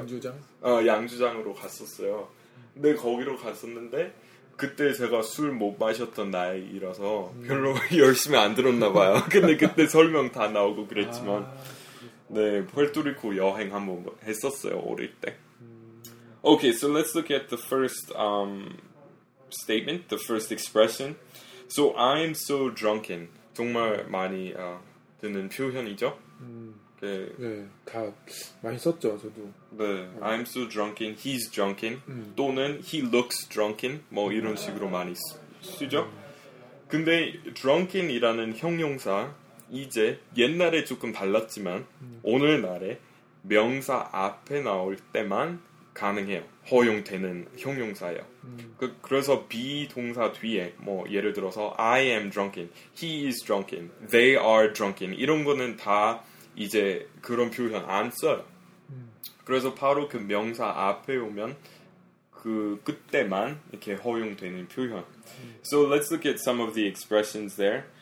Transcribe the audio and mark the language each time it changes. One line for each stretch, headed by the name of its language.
Korean: 양조장? 어, 양조장으로 갔었어요. 근데 거기로 갔었는데 그때 제가 술 못 마셨던 나이라서 별로 열심히 안 들었나 봐요. 근데 그때 설명 다 나오고 그랬지만 네, 푸에르토리코 여행 한번 했었어요. 어릴 때.
English: Okay, so let's look at the first statement, the first expression. So I'm so drunken.
Korean: 정말 많이 듣는 표현이죠. 네, 다 많이 썼죠, 저도.
English: 네, I'm so drunken. He's drunken. 또는 he looks drunken.
Korean: 뭐 이런 식으로 많이 쓰죠. 근데 drunken이라는 형용사 이제 옛날에 조금 달랐지만 오늘날에 명사 앞에 나올 때만 가능해요. 허용되는 형용사예요. 그래서 be 동사 뒤에 뭐 예를 들어서
English: I am drunken, he is drunken, they are drunken
Korean: 이런 거는 다 이제 그런 표현 안 써요. 그래서 바로 그 명사 앞에 오면 그 그때만 이렇게 허용되는 표현.
English: So let's look at some of the expressions there.